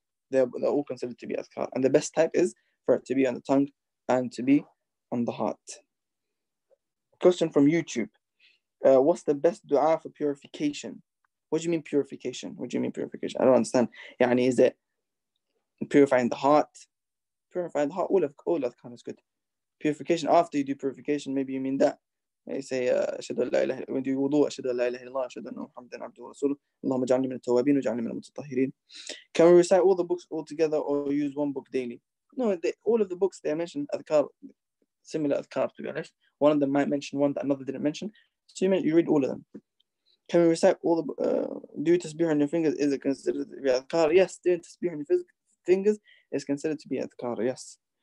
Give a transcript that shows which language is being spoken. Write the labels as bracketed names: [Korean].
[English] They're all considered to be adhkar. And the best type is for it to be on the tongue and to be on the heart. Question from YouTube. What's the best dua for purification? What do you mean purification? What do you mean purification? I don't understand. Yani, is it purifying the heart? Purifying the heart, all adhkar is good. Purification, after you do purification, maybe you mean that. You say, [Arabic] أشهد أن لا إله إلا الله, وضوء أشهد أن لا إله إلا الله, أشهد أن محمد عبده ورسوله, اللهم اجعلني من التوابين وجعلني من المتطهرين. [English] Can we recite all the books all together or use one book daily? No, all of the books they mentioned adhkar, similar adhkar to be honest. One of them might mention one that another didn't mention. So you read all of them. Can we recite all the do you tasbih on your fingers? Is it considered to be adhkar? Yes, doing tasbih on your fingers is considered to be adhkar. Yes.